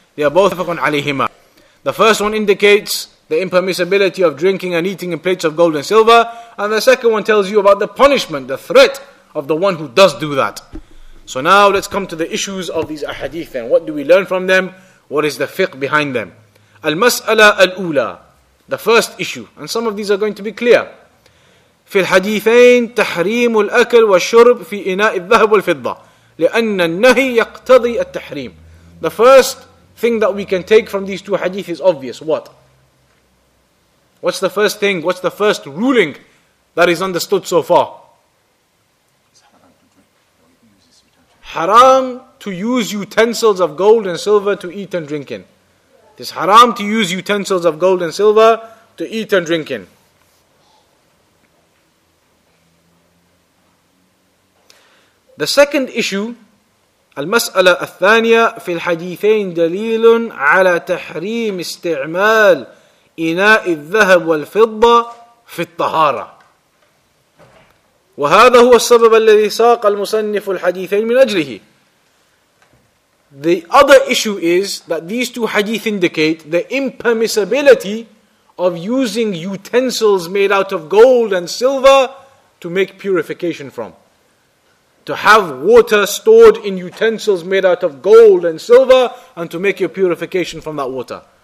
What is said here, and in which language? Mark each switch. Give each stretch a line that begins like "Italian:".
English: They are both on alayhima. The first one indicates the impermissibility of drinking and eating in plates of gold and silver. And the second one tells you about the punishment, the threat of the one who does do that. So now let's come to the issues of these ahadith and what do we learn from them? What is the fiqh behind them? Al-mas'ala al-ula, the first issue. And some of these are going to be clear.
Arabic: في الحديثين تحريم الأكل والشرب في إناء الذهب والفضة لأن النهي يقتضي التحريم.
English: The first thing that we can take from these two hadith is obvious. What? What's the first thing? What's the first ruling that is understood so far? Haram to use utensils of gold and silver to eat and drink in. It is haram to use utensils of gold and silver to eat and drink in. The second issue,
Arabic: المسألة الثانية في الحديثين دليل على تحريم استعمال إناء الذهب والفضة في الطهارة. وهذا هو السبب الذي ساق المصنف الحديثين من أجله.
English: The other issue is that these two hadith indicate the impermissibility of using utensils made out of gold and silver to make purification from. To have water stored in utensils made out of gold and silver and to make your purification from that water.